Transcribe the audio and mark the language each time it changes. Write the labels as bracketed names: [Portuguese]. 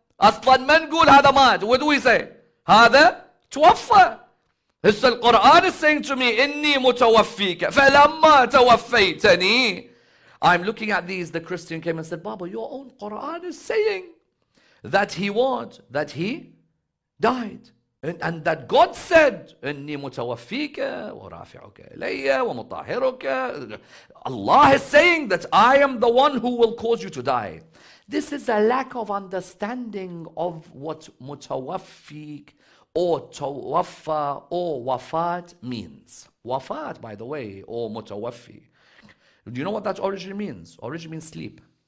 [Arabic] أَصْلًا مَنْ قُولْ هَذَا مَاتْ. [English] What do we say? [Arabic] هَذَا تُوَفَّى. [English] It's the Quran is saying to me, [Arabic] إِنِّي مُتَوَفِّيكَ فَلَمَّا تَوَفَّيْتَنِي. [English] I'm looking at these. The Christian came and said, Baba, your own Quran is saying that he what? That he died. And that God said, [Arabic] إِنِّي مُتَوَفِّيكَ وَرَافِعُكَ إِلَيَّ وَمُطَاهِرُكَ. [English] Allah is saying that I am the one who will cause you to die. This is a lack of understanding of what mutawaffiq or tawaffa or wafat means. Wafat, by the way, or mutawaffi. Do you know what that originally means? Originally means sleep.